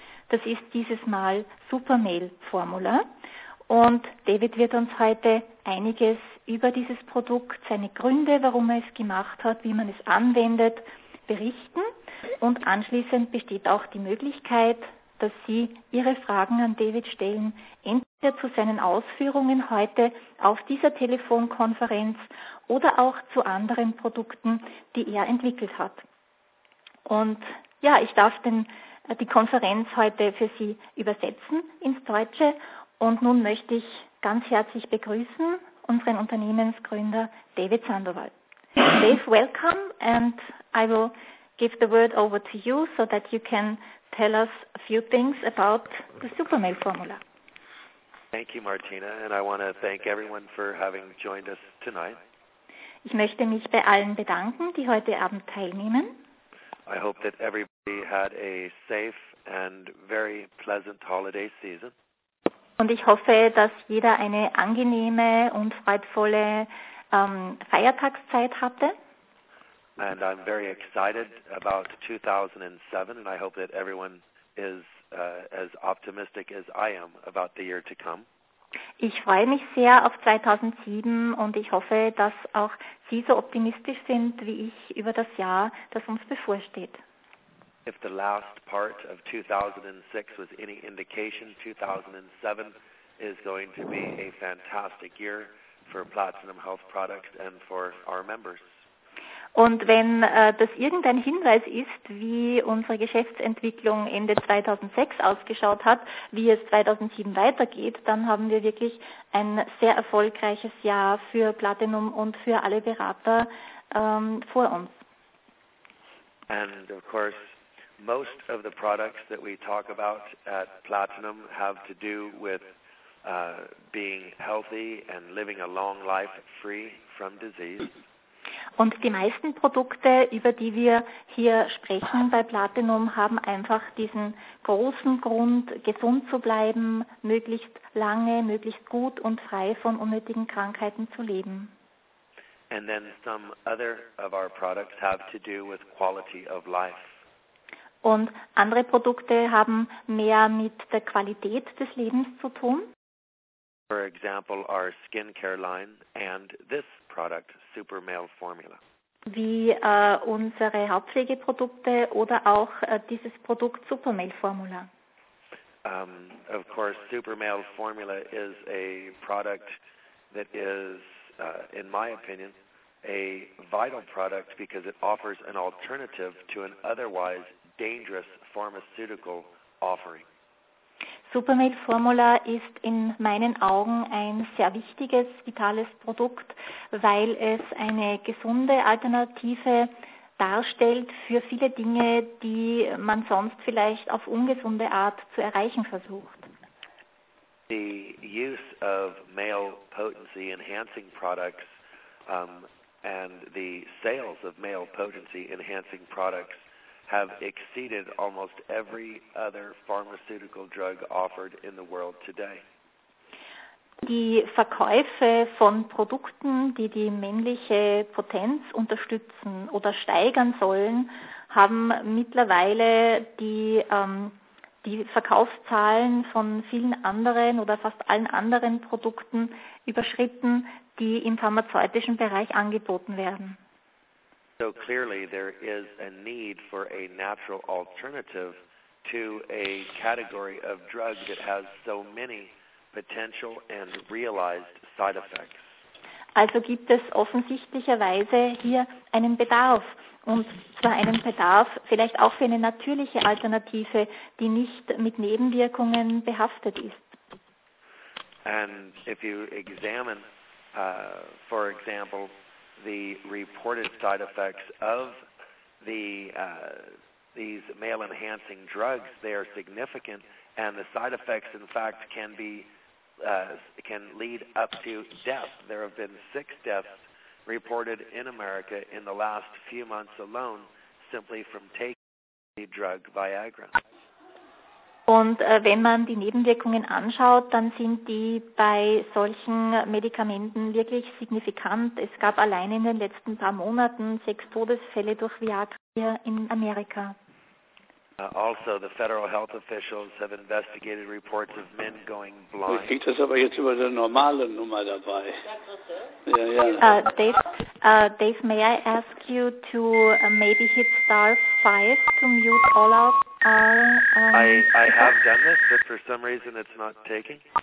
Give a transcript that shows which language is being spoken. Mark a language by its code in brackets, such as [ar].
[de] Das ist dieses Mal Supermail-Formula und David wird uns heute einiges über dieses Produkt, seine Gründe, warum er es gemacht hat, wie man es anwendet, berichten und anschließend besteht auch die Möglichkeit, dass Sie Ihre Fragen an David stellen, entweder zu seinen Ausführungen heute auf dieser Telefonkonferenz oder auch zu anderen Produkten, die er entwickelt hat. Und ja, ich darf die Konferenz heute für Sie übersetzen ins Deutsche. Und nun möchte ich ganz herzlich begrüßen unseren Unternehmensgründer David Sandoval. [en] Dave, welcome, and I will give the word over to you so that you can tell us a few things about the Supermail formula. Thank you, Martina, and I want to thank everyone for having joined us tonight. [de] Ich möchte mich bei allen bedanken, die heute Abend teilnehmen. [en] I hope that everybody had a safe and very pleasant holiday season. [de] Und ich hoffe, dass jeder eine angenehme und freudvolle Feiertagszeit hatte. [en] And I'm very excited about 2007, and I hope that everyone is as optimistic as I am about the year to come. [de] Ich freue mich sehr auf 2007 und ich hoffe, dass auch Sie so optimistisch sind wie ich über das Jahr, das uns bevorsteht. [en] If the last part of 2006 was any indication, 2007 is going to be a fantastic year for Platinum Health Products and for our members. [de] Und wenn das irgendein Hinweis ist, wie unsere Geschäftsentwicklung Ende 2006 ausgeschaut hat, wie es 2007 weitergeht, dann haben wir wirklich ein sehr erfolgreiches Jahr für Platinum und für alle Berater vor uns. [en] And of course, most of the products that we talk about at Platinum have to do with being healthy and living a long life free from disease. [de] Und die meisten Produkte, über die wir hier sprechen bei Platinum, haben einfach diesen großen Grund, gesund zu bleiben, möglichst lange, möglichst gut und frei von unnötigen Krankheiten zu leben. [en] And then some other of our products have to do with quality of life. [de] Und andere Produkte haben mehr mit der Qualität des Lebens zu tun. [en] For example, our skincare line and this product, Supermail Formula. [de] Wie unsere Hautpflegeprodukte oder auch dieses Produkt Supermail Formula. [en] Of course, Supermail Formula is a product that is, in my opinion, a vital product because it offers an alternative to an otherwise dangerous pharmaceutical offering. [de] Supermail Formula ist in meinen Augen ein sehr wichtiges, vitales Produkt, weil es eine gesunde Alternative darstellt für viele Dinge, die man sonst vielleicht auf ungesunde Art zu erreichen versucht. [en] The use of male potency enhancing products and the sales of male potency enhancing products have exceeded almost every other pharmaceutical drug offered in the world today. [de] Die Verkäufe von Produkten, die die männliche Potenz unterstützen oder steigern sollen, haben mittlerweile die Verkaufszahlen von vielen anderen oder fast allen anderen Produkten überschritten, die im pharmazeutischen Bereich angeboten werden. [en] So clearly there is a need for a natural alternative to a category of drug that has so many potential and realized side effects. [de] Also gibt es offensichtlicherweise hier einen Bedarf, und zwar einen Bedarf vielleicht auch für eine natürliche Alternative, die nicht mit Nebenwirkungen behaftet ist. [en] And if you examine, for example, the reported side effects of these male-enhancing drugs, they are significant, and the side effects, in fact, can lead up to death. There have been 6 deaths reported in America in the last few months alone, simply from taking the drug Viagra. [de] Und wenn man die Nebenwirkungen anschaut, dann sind die bei solchen Medikamenten wirklich signifikant. Es gab allein in den letzten paar Monaten 6 Todesfälle durch Viagra hier in Amerika. [en] Also, the federal health officials have investigated reports of men going blind. [de] Ich krieg das aber jetzt über eine normale Nummer dabei. [en] Dave, may I ask you to maybe hit *5 to mute all our... I have done this, but for some reason it's not taking.